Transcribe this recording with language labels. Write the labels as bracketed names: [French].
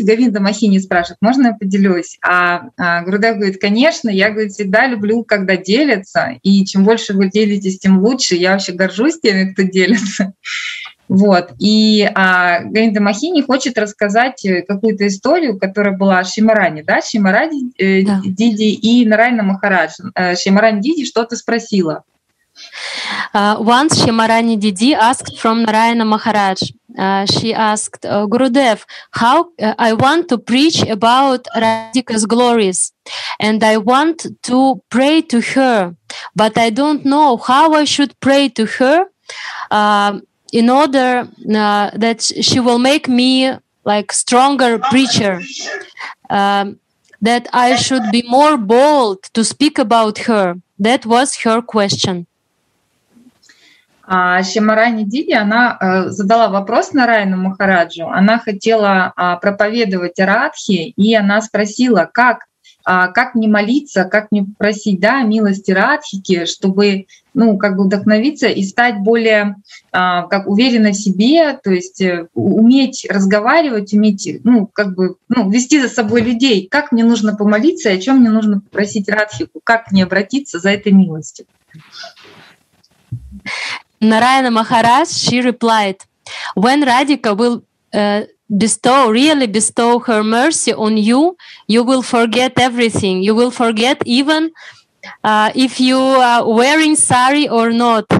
[Russian] Говинда Махини спрашивает, можно я поделюсь? А Гурудев говорит, конечно, я, говорит, всегда люблю, когда делятся, и чем больше вы делитесь, тем лучше. Я вообще горжусь теми, кто делится. Вот. И Говинда Махини хочет рассказать какую-то историю, которая была о Шимаране, да? Шимаране Диди и Нарайана Махарадж. Шимаране Диди что-то спросила. [English] Once Shyamarani Didi asked from Narayana Maharaj, she asked, Gurudev, how I want to preach about Radhika's glories, and I want to pray to her, but I don't know how I should pray to her in order that she will make me like stronger preacher. that I should be more bold to speak about her. That was her question. [Russian] Шимарани Диди, она задала вопрос Нараяну Махараджу. Она хотела проповедовать Радхи, и она спросила, как мне молиться, как мне просить, да, милости Радхики, чтобы, ну, как бы вдохновиться и стать более как уверенной в себе, то есть уметь разговаривать, уметь, ну, как бы, ну, вести за собой людей. Как мне нужно помолиться, о чем мне нужно попросить Радхику, как мне обратиться за этой милостью? [English] Нараяна Махарадж, she replied, when Radhika will really bestow her mercy on you, you will forget everything. You will forget even if you are wearing sari or not.